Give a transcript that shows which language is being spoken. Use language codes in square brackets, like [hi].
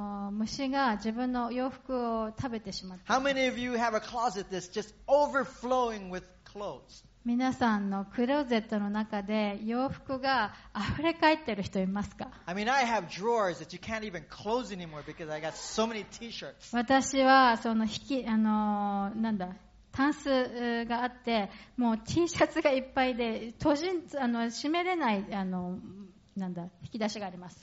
[ja] 虫が自分の洋服を食べてしまった。 [en] How many of you have a closet that's just overflowing with clothes? [ja] 皆さんのクローゼットの中で洋服が溢れ返ってる人いますか？ [en] I mean, I have drawers that you can't even close anymore because I got so many T-shirts. [ja] 私はその引き、なんだ、タンスがあって、もう T シャツがいっぱいで、閉めれない、なんだ、引き出しがあります。